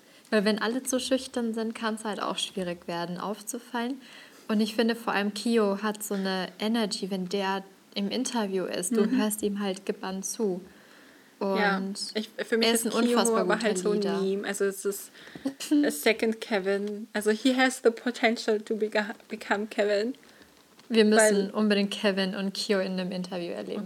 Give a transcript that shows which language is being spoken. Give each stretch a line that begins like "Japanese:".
German: Weil wenn alle zu schüchtern sind, kann es halt auch schwierig werden, aufzufallen. Und ich finde vor allem, Kyo hat so eine Energy, wenn der im Interview ist, du hörst ihm halt gebannt zu. Und ja, für mich ist Kyo aber halt so ein Meme. Also es ist
English: a second Kevin.
German: Also
English: he has the potential to become Kevin.
German: Wir müssen unbedingt Kevin und Kyo in einem Interview erleben.